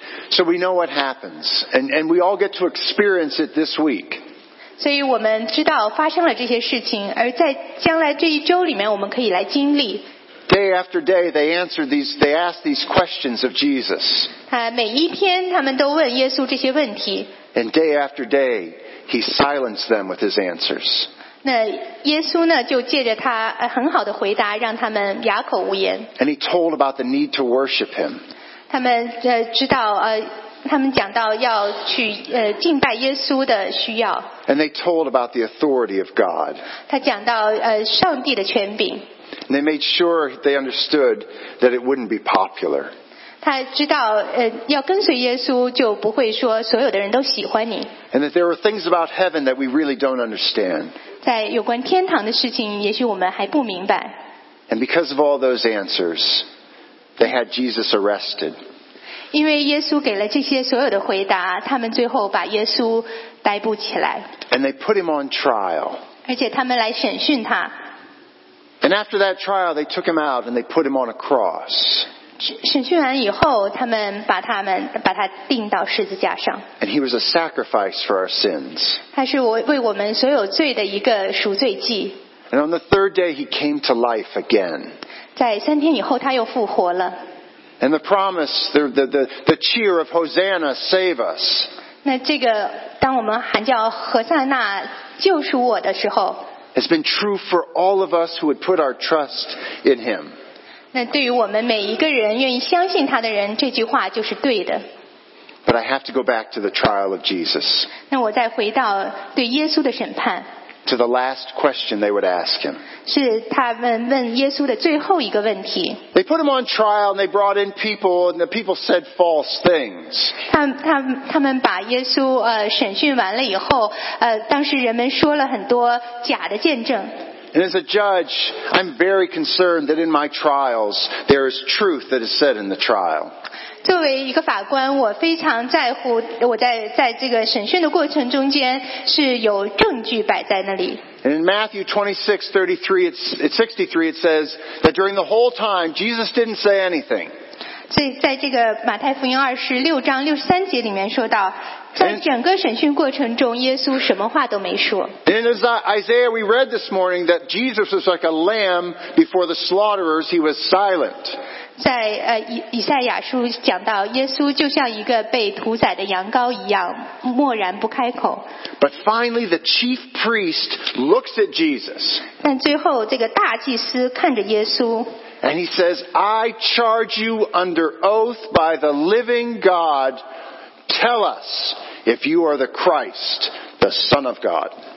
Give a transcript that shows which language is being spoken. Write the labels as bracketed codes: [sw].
[en] So we know what happens, and we all get to experience it this week. [zh] 所以我们知道发生了这些事情，而在将来这一周里面，我们可以来经历。 [en] Day after day, they answer these. They ask these questions of Jesus. [zh] 每一天他们都问耶稣这些问题。 [en] And day after day, he silenced them with his answers. [zh] 那耶稣呢，就借着他很好的回答，让他们哑口无言。 [en] And he told about the need to worship him. [zh] 他们知道他们讲到要去敬拜耶稣的需要。 [en] And they told about the authority of God. [zh] 他讲到上帝的权柄。 [en] And they made sure they understood that it wouldn't be popular. [zh] 他知道要跟随耶稣就不会说所有的人都喜欢你。 [en] And that there were things about heaven that we really don't understand. [zh] 在有关天堂的事情也许我们还不明白。 [en] And because of all those answers, they had Jesus arrested. [zh] 因为耶稣给了这些所有的回答，他们最后把耶稣逮捕起来。 [en] And they put him on trial. [zh] 而且他们来审讯他。 [en] And after that trial, they took him out and they put him on a cross. [zh] 审讯完以后，他们把他钉到十字架上。 [en] And he was a sacrifice for our sins. [zh] 他是为我们所有罪的一个赎罪祭。 [en] And on the third day, he came to life again. [zh] 在三天以后，他又复活了。 [en] And the promise, the cheer of Hosanna, save us. [zh] 那这个当我们喊叫何塞纳救赎我的时候。 [en] Has been true for all of us who would put our trust in Him. [zh] 那对于我们每一个人愿意相信他的人，这句话就是对的。 [en] But I have to go back to the trial of Jesus. [zh] 那我再回到对耶稣的审判。 [en] To the last question they would ask Him. [zh] 是他们问耶稣的最后一个问题。 [en] They put Him on trial, and they brought in people, and the people said false things. [zh] 他们把耶稣审讯完了以后，当时人们说了很多假的见证。 [en] And as a judge, I'm very concerned that in my trials there is truth that is said in the trial. [zh] 作为一个法官，我非常在乎我在这个审讯的过程中间是有证据摆在那里。 [en] And in Matthew 26:63, it says that during the whole time Jesus didn't say anything. [zh] 所以在这个马太福音26:63里面说到。在整个审讯过程中，耶稣什么话都没说。 [en] In Isaiah, we read this morning that Jesus was like a lamb before the slaughterers; he was silent. [zh] 在以赛亚书讲到，耶稣就像一个被屠宰的羊羔一样，默然不开口。 [en] But finally, the chief priest looks at Jesus. [zh] 但最后，这个大祭司看着耶稣。 [en] And he says, "I charge you under oath by the living God." Tell us if you are the Christ, the Son of God.